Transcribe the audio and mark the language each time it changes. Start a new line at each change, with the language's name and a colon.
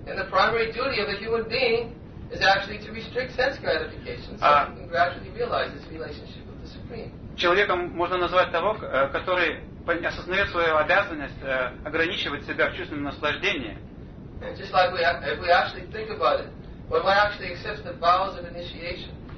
English: And the primary duty of a human being is actually to restrict sense gratification so he can gradually realize his relationship with the Supreme.
Russian: Человеком можно назвать того, который осознает свою обязанность ограничивать себя в чувственном наслаждении.
English: And just like if we actually think about it, when one actually accepts the vows of initiation.